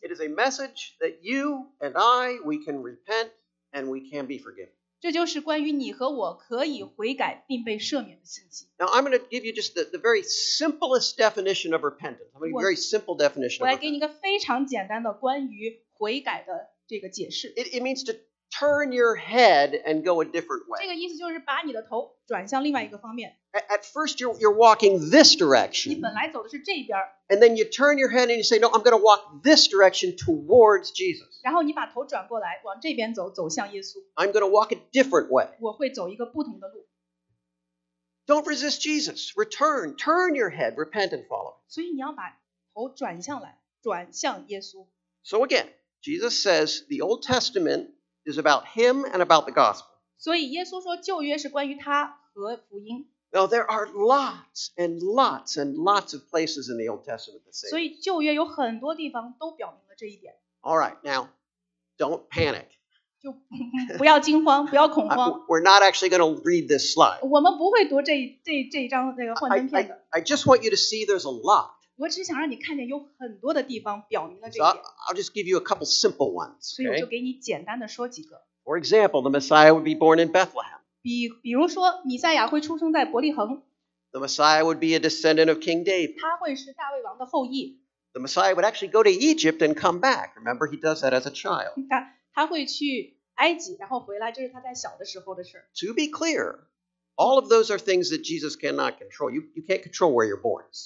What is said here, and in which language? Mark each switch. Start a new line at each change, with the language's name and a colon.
English: It is a message that you and I, we can repent and we can be forgiven.
Chinese: 这就是关于你和我可以悔改并被赦免的信息。
English: Now I'm going to give you just the very simplest definition of repentance. I'm going to give you a very simple definition of repentance.
Chinese: 我来给你一个非常简单的关于悔改的这个解释。
English: It means to turn your head and go a different way.
Chinese: 这个意思就是把你的头转向另外一个方面。
English: At first, you're walking this direction.
Chinese: 你本来走的是这边。
English: And then you turn your head and you say, no, I'm going to walk this direction towards Jesus.
Chinese: 然后你把头转过来, 往这边走, 走向耶稣。
English: I'm going to walk a different way.
Chinese: 我会走一个不同的路。
English: Don't resist Jesus. Return. Turn your head. Repent and follow.
Chinese: 所以你要把头转向来, 转向耶稣。
English: So again, Jesus says the Old Testament is about him and about the gospel.
Chinese: 所以耶稣说旧约是关于他和福音。
English: Now, there are lots and lots and lots of places in the Old Testament that say.
Chinese: 所以旧约有很多地方都表明了这一点。
English: All right, now, don't panic.
Chinese: 就不要惊慌，不要恐慌。
English: We're not actually going to read this slide.
Chinese: 我们不会读这一张那个幻灯片的。
English: I just want you to see there's a lot.
Chinese: 我只想让你看见有很多的地方表明了这一点。
English: So I'll just give you a couple simple ones, okay?
Chinese: 所以我就给你简单的说几个。For
English: example, the Messiah would be born in Bethlehem.
Chinese: 比如说，弥赛亚会出生在伯利恒。The
English: Messiah would be a descendant of King David.
Chinese: 他会是大卫王的后裔。The
English: Messiah would actually go to Egypt and come back. Remember, he does that as a child.
Chinese: 他会去埃及，然后回来，这是他在小的时候的事。To
English: be clear, all of those are things that Jesus cannot control. You can't control where you're born.